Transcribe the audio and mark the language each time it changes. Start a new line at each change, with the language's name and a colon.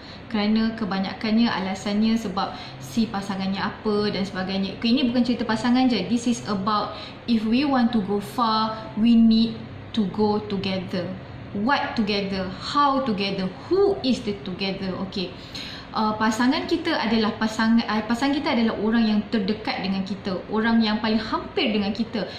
Malay: Kerana kebanyakannya alasannya sebab si pasangannya apa dan sebagainya. Ini bukan cerita pasangan je.
English: This is about if we want to go far, we need to go together. What together? How together? Who is the together? Okay.
Malay: Pasangan kita adalah pasangan kita adalah orang yang terdekat dengan kita, orang yang paling hampir dengan kita.